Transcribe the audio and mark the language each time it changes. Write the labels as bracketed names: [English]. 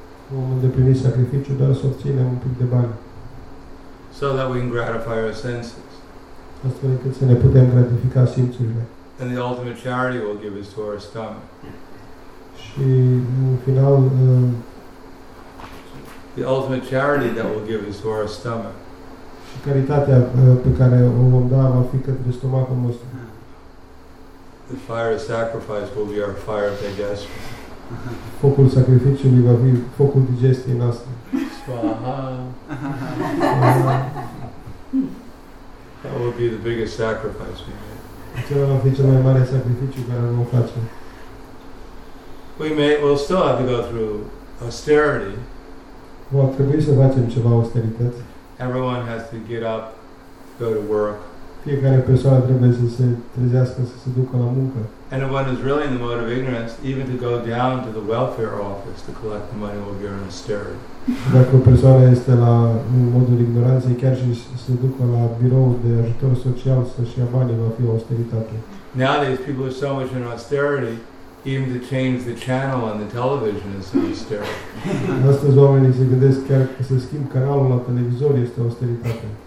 [English] So that we can gratify our senses. And the ultimate charity we'll give is to our stomach. The ultimate charity that we'll give is to our stomach. [Romanian] Și caritatea pe care o vom da va fi către stomacul nostru. [English] The fire of sacrifice will be our fire of digestion. [Romanian] Focul sacrificiului va fi focul digestiei noastre. [Sanskrit] Swaha. [English] That will be the biggest sacrifice we make. [Romanian] Acela va fi cel mai mare sacrificiu care vom face. [English] We'll still have to go through austerity. [Romanian] Va trebui să facem ceva austerități. [English] Everyone has to get up, go to work. [Romanian] Fiecare persoană trebuie să se trezească, să se ducă la muncă. [English] And if one is really in the mode of ignorance, even to go down to the welfare office to collect the money will be an austerity. [Romanian] Dacă o persoană este la un modul ignoranței, chiar și se ducă la biroul de ajutor social să-și ia banii, va fi o austeritate. [English] Nowadays, people are so much in austerity, even to change the channel on the television is austerity. [Romanian] Astăzi oamenii se gândesc chiar că să schimb canalul la televizor este austeritate.